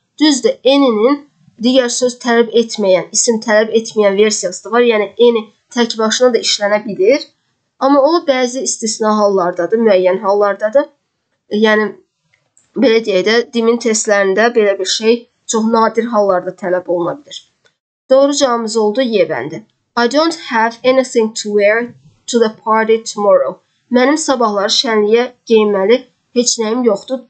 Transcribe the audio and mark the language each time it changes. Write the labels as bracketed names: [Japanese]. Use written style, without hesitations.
[Azerbaijani] Düzdür, N-nin digər söz tələb etməyən, isim tələb etməyən versiyası da var. Yəni, N tək başına da işlənə bilir. Amma o, bəzi istisna hallardadır, müəyyən hallardadır. Yəni, belə deyək də, dimin testlərində belə bir şey çox nadir hallarda tələb oluna bilir. Doğru cavabımız oldu Y bəndi. [English] I don't have anything to wear to the party tomorrow. [Azerbaijani] Mənim sabahları şənliyə geyinməli heç nəyim yoxdur.